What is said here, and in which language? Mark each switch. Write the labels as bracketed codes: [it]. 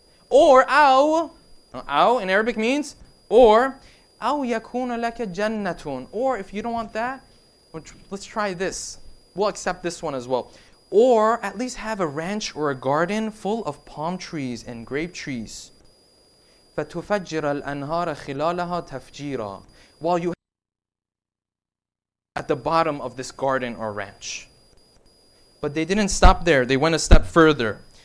[en] Or, أو in Arabic means, or, [ar] أو يكون لك جنة. [en] Or, if you don't want that, let's try this. We'll accept this one as well. Or, at least have a ranch or a garden full of palm trees and grape trees. [ar] فتفجر الأنهار خلالها تفجيرا. [en] While you at the bottom of this garden or ranch. But they didn't stop there. They went a step further.